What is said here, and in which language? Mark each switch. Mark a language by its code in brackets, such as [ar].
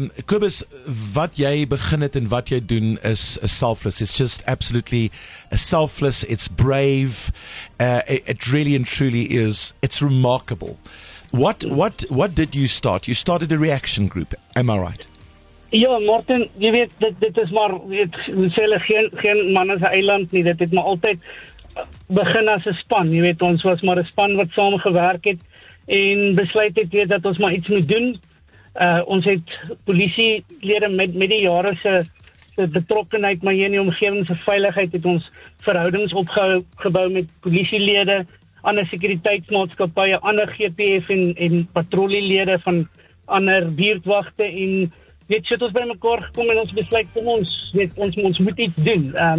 [af] Kobus, wat jy begin het en wat jy doen is selfless. [en] It's just absolutely selfless. It's brave. It really and truly is. It's remarkable. What did you start? You started a reaction group. Am I right? [af] Ja, Martin, jy weet, dit is maar, dit is geen man as 'n eiland nie. Dit het maar altyd begin as 'n span. Jy weet, ons was maar 'n span wat saam gewerk het en besluit het weet, dat ons maar iets moet doen. Ons het polisielede met die jare se betrokkenheid, maar hier in die omgewing se veiligheid het ons verhoudings opgebou met polisielede, ander sekuriteitsmaatskappye, ander GPF en patrolielede van ander buurtwagte en weet jy, het ons bymekaar gekom en ons besluit, kom ons, weet, ons moet iets doen.